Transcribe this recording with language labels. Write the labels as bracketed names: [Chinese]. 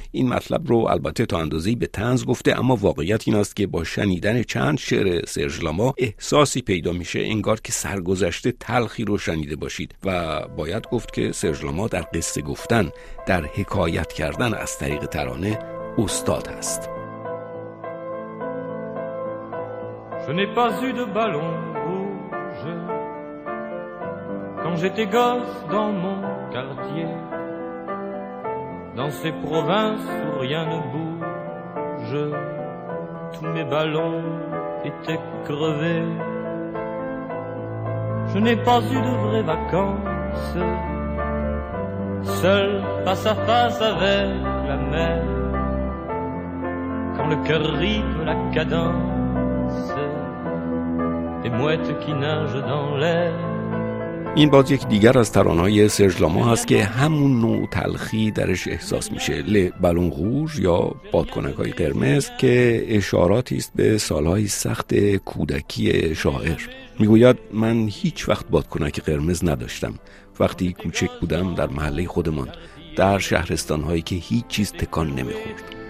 [Persian] این مطلب رو البته تا اندازه‌ای به طنز گفته، اما واقعیت این است که با شنیدن چند شعر سرژ لاما احساسی پیدا میشه انگار که سرگذشت تلخی رو شنیده باشید. و باید گفت که سرژ لاما در قصه گفتن، در حکایت کردن از طریق ترانه استاد هست. [French] Je n'ai pas eu de ballon rouge quand j'étais gosse dans mon quartier, dans ces provinces où rien ne bouge, tous mes ballons étaient crevés. Je n'ai pas eu de vraies vacances, seul face à face avec la mer, quand le cœur rythme la cadence des mouettes qui nagent dans l'air. [Persian] این باز یک دیگر از ترانه‌های سرژ لاما هست که همون نوع تلخی درش احساس میشه. لی بالون روژ یا بادکنک‌های قرمز که اشاراتی است به سال‌های سخت کودکی شاعر. میگوید من هیچ وقت بادکنک قرمز نداشتم. وقتی کوچک بودم در محله خودمان، در شهرستان‌هایی که هیچ چیز تکان نمی‌خورد.